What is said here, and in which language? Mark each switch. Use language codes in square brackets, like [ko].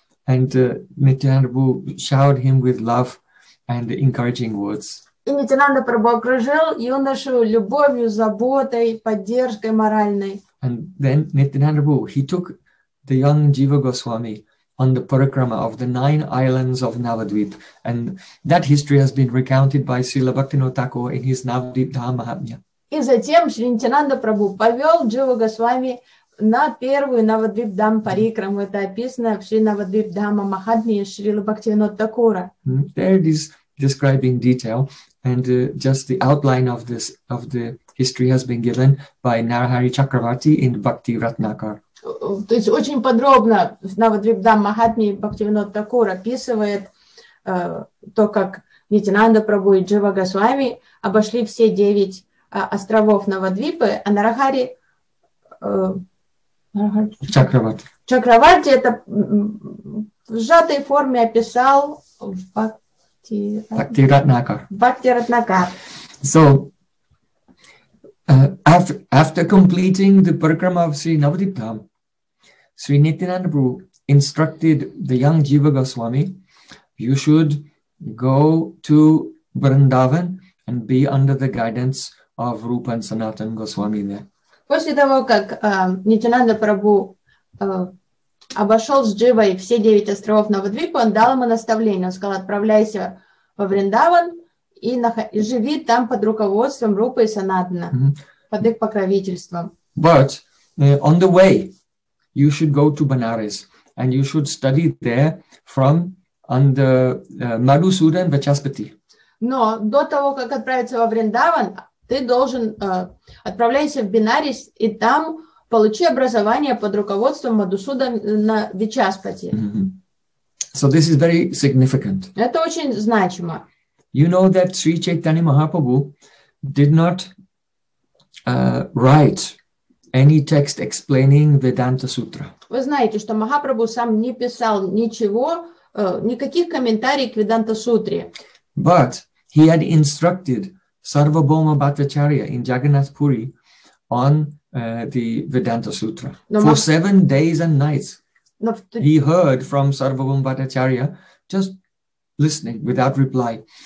[en] And Nityananda Prabhu showered him with love and encouraging words. [ru] И Нитянанда Прабху окружил юношу любовью, заботой, поддержкой моральной. [en] And then Nityananda Prabhu, he took the young Jiva Goswami on the parikrama of the nine islands of Navadvip. And that history has been recounted by Srila Bhaktivinoda Thakur in his Navadvip Dham Mahatmya. [ru] И затем Шри Нитянанда Прабху повел Джива Госвами на первую Навадвип Дам парикраму. Это описано в Шри Навадвип Дхама Махатмья Шрила Бхактивинода Такура. [en] There it is described in detail, and just the outline of this of the history has been given by Narahari Chakravarti in Bhakti Ratnakar. [ru] То есть очень подробно Навадвип Дам Махатмья Бхактивинода Такур описывает то, как Нитянанда Прабху и Джива Госвами обошли все девять островов Навадвипы, а Нарахари Чакраварти. Чакраварти это в сжатой форме описал в Бхакти-ратнакар. Бхакти-ратнакар. [en] So, after completing the parikrama of Sri Navadiptam, Sri Nityananda Prabhu instructed the young Jiva Goswami, you should go to Vrindavan and be under the guidance of Rupa and Sanatan Goswami there. [ru] После того, как Нитянанда Прабху обошел с Дживой все девять островов Навадвипа, он дал ему наставление. Он сказал, отправляйся во Вриндаван и живи там под руководством Рупы и Санатана, под их покровительством. [en] But on the way, you should go to Banaras and you should study there from under Madhusudan Vachaspati. [ru] Но до того, как отправиться во Вриндаван, ты должен отправляйся в Бенарис и там получи образование под руководством Мадхусудана Вичаспати. [en] So this is very significant. [ru] Это очень значимо. [en] You know that Sri Chaitanya Mahaprabhu did not write any text explaining Vedanta Sutra. [ru] Вы знаете, что Махапрабху сам не писал ничего, никаких комментариев к Веданта Сутре. [en] But he had instructed Sarvabhauma Bhattacharya in Jagannath Puri on the Vedanta Sutra. For 7 days and nights, he heard from Sarvabhauma Bhattacharya, just listening without reply.